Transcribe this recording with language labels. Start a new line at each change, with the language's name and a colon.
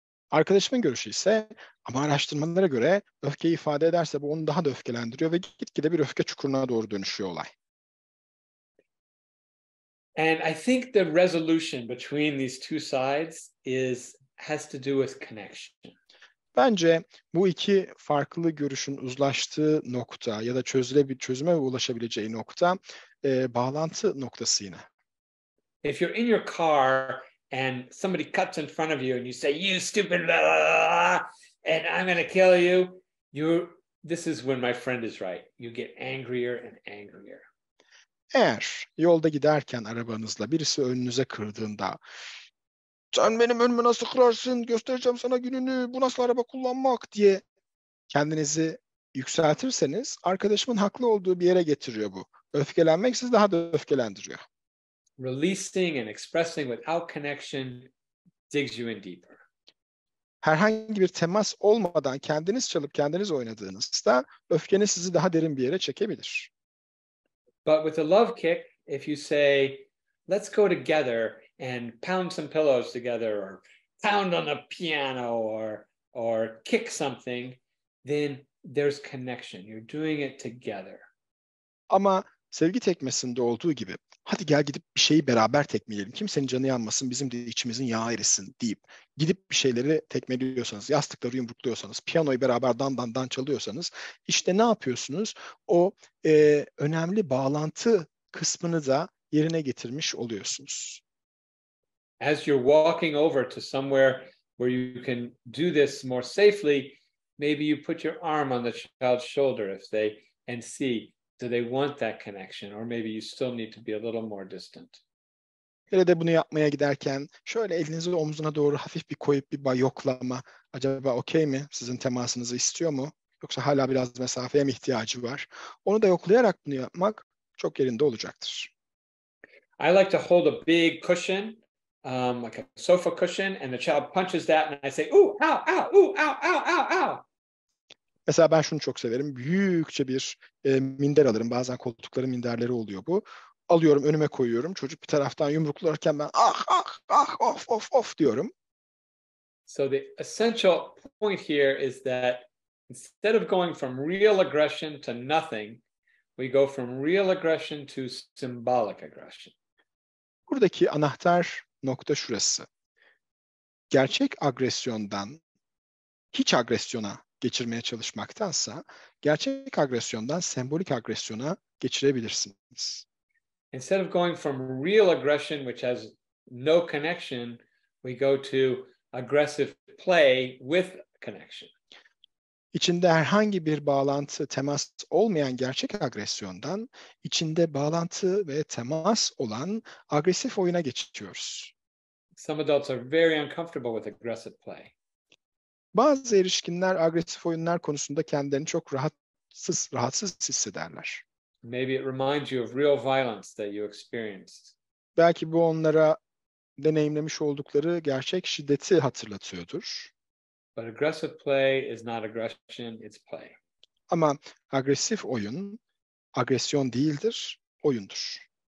Turkish: Arkadaşımın görüşü ise, ama araştırmalara göre öfkeyi ifade ederse bu onu daha da öfkelendiriyor ve gitgide bir öfke çukuruna doğru dönüşüyor olay.
English: And I think the resolution between these two sides has to do with connection.
Turkish: Bence bu iki farklı görüşün uzlaştığı nokta ya da çözüme ulaşabileceği nokta bağlantı noktası yine.
English: If you're in your car and somebody cuts in front of you and you say, you stupid, blah, blah, blah, and I'm going to kill you, this is when my friend is right. You get angrier and angrier.
Turkish: Eğer yolda giderken arabanızla birisi önünüze kırdığında, sen benim önümü nasıl kırarsın, göstereceğim sana gününü, bu nasıl araba kullanmak diye kendinizi yükseltirseniz, arkadaşımın haklı olduğu bir yere getiriyor bu. Öfkelenmek sizi daha da öfkelendiriyor.
English: Releasing and expressing without connection digs you in deeper.
Turkish: Herhangi bir temas olmadan kendiniz çalıp kendiniz oynadığınızda öfkeniz sizi daha derin bir yere çekebilir.
English: But with a love kick, if you say, let's go together and pound some pillows together or pound on a piano or kick something, then there's connection. You're doing it together.
Turkish: Ama sevgi tekmesinde olduğu gibi, hadi gel gidip bir şeyi beraber tekmeleyelim, kimsenin canı yanmasın, bizim de içimizin yağı erisin deyip gidip bir şeyleri tekmeliyorsanız, yastıkları yumrukluyorsanız, piyanoyu beraber dan çalıyorsanız, işte ne yapıyorsunuz? O önemli bağlantı kısmını da yerine getirmiş oluyorsunuz.
English: As you're walking over to somewhere where you can do this more safely, maybe you put your arm on the child's shoulder and see, do they want that connection? Or maybe you still need to be a little more distant.
Turkish: Ya da bunu yapmaya giderken şöyle elinizi omzuna doğru hafif bir koyup bir yoklama. Acaba okey mi? Sizin temasınızı istiyor mu? Yoksa hala biraz mesafeye mi ihtiyacı var? Onu da yoklayarak bunu yapmak çok yerinde olacaktır.
English: I like to hold a big cushion. Like a sofa cushion, and the child punches that, and I say, "Ooh, ow, ow, ooh, ow, ow, ow, ow."
Turkish: Mesela ben şunu çok severim. Büyükçe bir minder alırım. Bazen koltukların minderleri oluyor bu. Alıyorum, önüme koyuyorum. Çocuk bir taraftan yumruklarken ben, "Ah, ah, ah, of, of, of," diyorum.
English: So the essential point here is that instead of going from real aggression to nothing, we go from real aggression to symbolic aggression.
Turkish: Buradaki anahtar nokta şurası. Gerçek agresyondan hiç agresyona geçirmeye çalışmaktansa, gerçek agresyondan sembolik agresyona geçirebilirsiniz.
English: Instead of going from real aggression, which has no connection, we go to aggressive play with connection.
Turkish: İçinde herhangi bir bağlantı, temas olmayan gerçek agresyondan, içinde bağlantı ve temas olan agresif oyuna geçiyoruz.
English: Some adults are very uncomfortable with aggressive play.
Turkish: Bazı erişkinler agresif oyunlar konusunda kendilerini çok rahatsız hissederler.
English: Maybe it reminds you of real violence that you experienced.
Turkish: Belki bu onlara deneyimlemiş oldukları gerçek şiddeti hatırlatıyordur.
English: But aggressive play is not aggression, it's play.
Turkish: Ama agresif oyun agresyon değildir, oyundur.